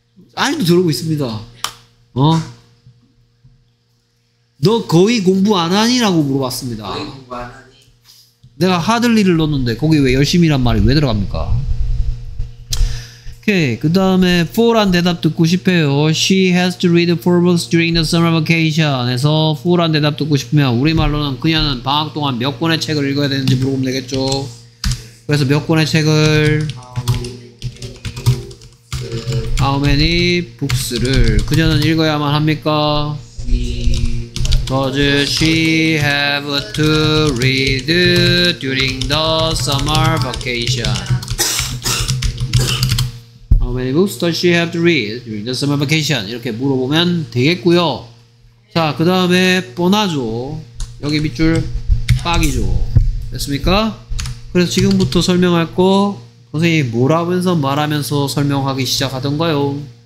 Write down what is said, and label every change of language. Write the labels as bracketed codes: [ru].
[ko] 지금도 저러고 있습니다. 어? 너 거의 공부 안 하니? 라고 물어봤습니다. 거의 공부 안 하니? 내가 하들 일을 넣었는데 거기 왜 열심히란 말이 왜 들어갑니까? 오케이. 그 다음에 4란 대답 듣고 싶어요. [en] She has to read 4 books during the summer vacation. [ko] 에서 4란 대답 듣고 싶으면 우리말로는 그녀는 방학 동안 몇 권의 책을 읽어야 되는지 물어보면 되겠죠. 그래서 몇 권의 책을 [en] How many books [ko] 를 그녀는 읽어야만 합니까? [en] Does she have to read during the summer vacation? How many books does she have to read during the summer vacation? [ko] 이렇게 물어보면 되겠고요. 자, 그 다음에 뻔하죠. 여기 밑줄 빡이죠. 됐습니까? 그래서 지금부터 설명할 거 선생님이 뭐라면서 말하면서 설명하기 시작하던가요?